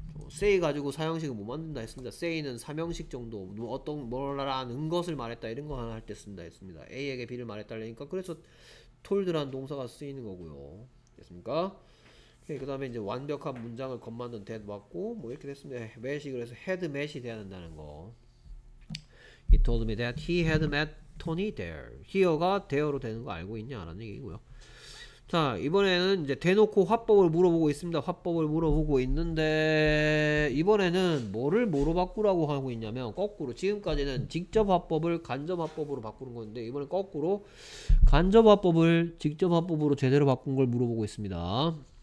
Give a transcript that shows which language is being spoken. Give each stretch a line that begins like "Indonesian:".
Korean: say 가지고 사형식을 못 만든다 했습니다. say는 삼형식 정도 어떤 뭐라라는 것을 말했다 이런 거 하나 할 때 쓴다 했습니다. a에게 b를 말했다 그러니까 그래서 told라는 동사가 쓰이는 거고요. 됐습니까? 그 다음에 이제 완벽한 문장을 겉만든 that 맞고 뭐 이렇게 됐습니다. met이 그래서 had met이 돼야 된다는 거.
English: he told me that he had met Tony there.
Korean: here가 there로 되는 거 알고 있냐 라는 얘기고요. 자 이번에는 이제 대놓고 화법을 물어보고 있습니다. 화법을 물어보고 있는데 이번에는 뭐를 뭐로 바꾸라고 하고 있냐면 거꾸로 지금까지는 직접 화법을 간접 화법으로 바꾸는 건데 이번엔 거꾸로 간접 화법을 직접 화법으로 제대로 바꾼 걸 물어보고 있습니다.